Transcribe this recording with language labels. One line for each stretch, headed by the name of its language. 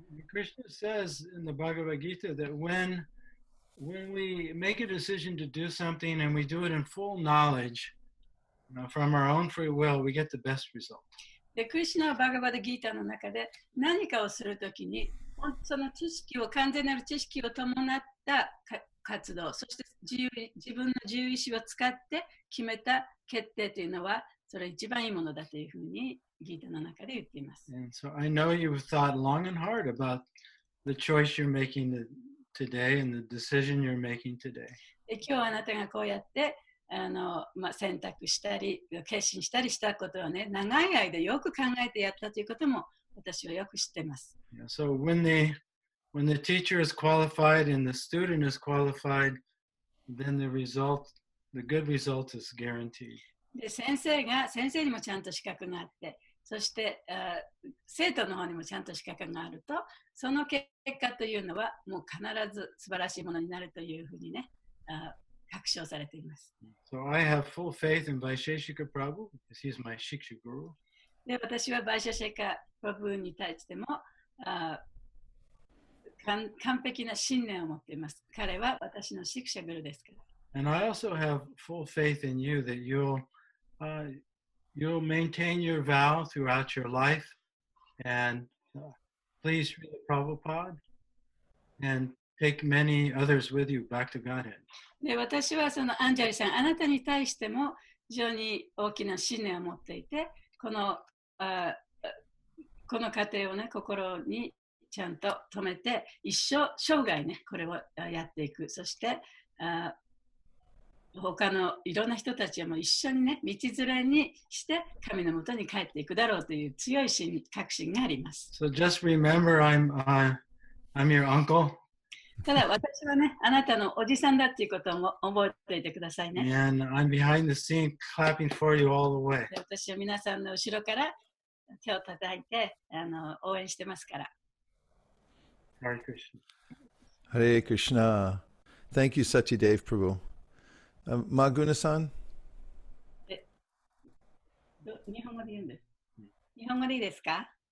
English: Krishna says in the Bhagavad Gita that when we make a decision to do something and we do it in full knowledge, you know, from our own free will, we get the best result.
Japanese: でクリシュナはバガバダギータの中で何かをするときにその知識を完全なる知識を伴った活動そして自分の自由意志を使って決めた決定というのはそれ一番いいものだというふうにギータの中で言っています。
English: And so I know you've thought long and hard about the choice you're making today and the decision you're making today.
Japanese: で今日あなたがこうやってまあ、選択したり決心したりしたことをね長い間よく考えてやったということも私はよく知ってます。
English: Yeah, so when the teacher is qualified and the student is qualified, then the good result is guaranteed.
Japanese: で先生が先生にもちゃんと資格があって、そして生徒の方にもちゃんと資格があると、その結果というのはもう必ず素晴らしいものになるというふうにね。確証されています。
English: So I have full faith in Vaisheshika Prabhu because he's my Shiksha Guru.
Japanese: で、私はバイシャシェカプラブーに対しても完璧な信念を持っています。彼は私のシクシャグルですから。
English: And I also have full faith in you that you'll maintain your vow throughout your life and please read Prabhupada and take many others with you back to Godhead.
Japanese: で私はそのアンジャリさん、あなたに対しても非常に大きな信念を持っていて、この過程をね、心にちゃんと止めて、一生、生涯ね、これをやっていく。そして、他のいろんな人たちも一緒にね、道連れにして、神のもとに帰っていくだろうという強い信、確信があります。
English: So just remember, I'm your uncle.
Japanese: ただ私はね、あなたのおじさんだっていうことも覚えていてくださいね。
English: And I'm behind the scene clapping for you all the way.
Japanese: 私は皆さんの後ろから手を叩いて応援してますから。
English: Hare Krishna. Hare Krishna. Thank you, Satyadev Prabhu. Maguna-san?
Japanese: 日本語で言うんです。日本語でいいですか？